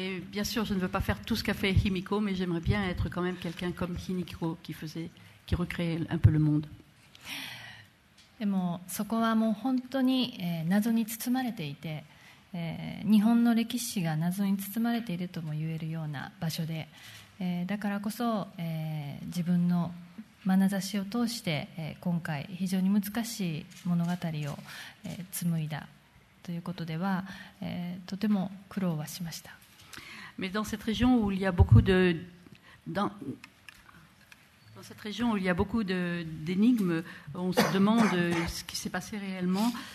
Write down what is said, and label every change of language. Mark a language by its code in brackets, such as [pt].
[fr] Bien sûr, je ne veux pas faire tout ce qu'a fait Himiko, mais j'aimerais bien être quand même quelqu'un comme Himiko qui recréait un peu le monde. [ja] でもそこはもう本当に謎に包まれていて、日本の歴史が謎に包まれているとも言えるような場所で、だからこそ自分の 眼差しを通して今回非常に難しい物語を紡いだということではとても苦労はしました。 [fr] Mais dans cette région où il y a beaucoup de dans cette région où il y a beaucoup de d'énigmes, on se demande ce qui s'est passé réellement.